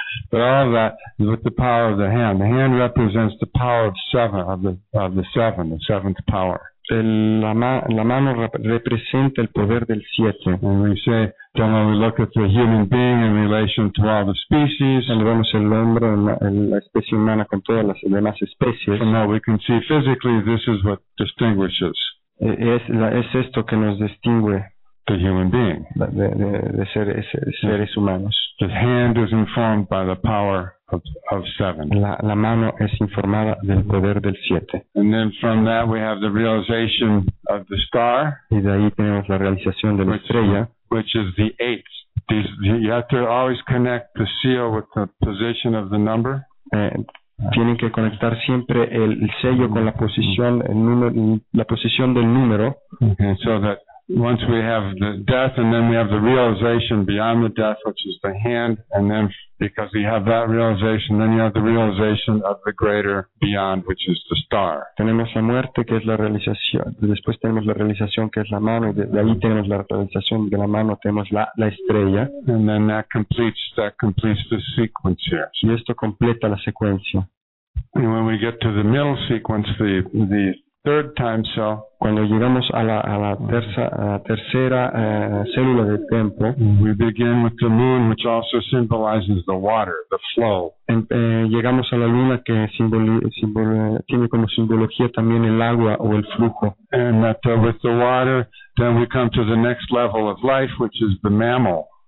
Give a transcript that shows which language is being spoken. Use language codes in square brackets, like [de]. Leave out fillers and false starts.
[en] But all of that is with the power of the hand. The hand represents the power of the seventh power. [es] La mano representa el poder del 7. [en] And we say, then when we look at the human being in relation to all the species, [es] cuando vemos el hombre, la especie humana con todas las demás especies, [en] and now we can see physically this is what distinguishes. [es] Es esto que nos distingue. [en] The human being. [es] De seres humanos. [en] The hand is informed by the power of 7. [es] La mano es informada del poder del 7. [en] And then from that we have the realization of the star. [es] Y de ahí tenemos la realización de la estrella. [en] Which is the 8th. You have to always connect the seal with the position of the number. [es] Tienen que conectar siempre el sello con la posición, la posición del número. [en] Okay, so that once we have the death, and then we have the realization beyond the death, which is the hand, and then because we have that realization, then you have the realization of the greater beyond, which is the star. [es] Tenemos la muerte, que es la realización. Después tenemos la realización, que es la mano. De ahí tenemos la realización de la mano. Tenemos la estrella. [en] And then that completes the sequence here. [es] Y esto completa la secuencia. [en] And when we get to the middle sequence, the third time cell. [es] Cuando llegamos a la tercera célula del tiempo, [en] we begin with the moon, which also symbolizes the water, the flow. [es] Llegamos a la luna, que tiene como simbología también el agua o el flujo. [en] And that with the water, then we come to the next level of life, which is the mammal.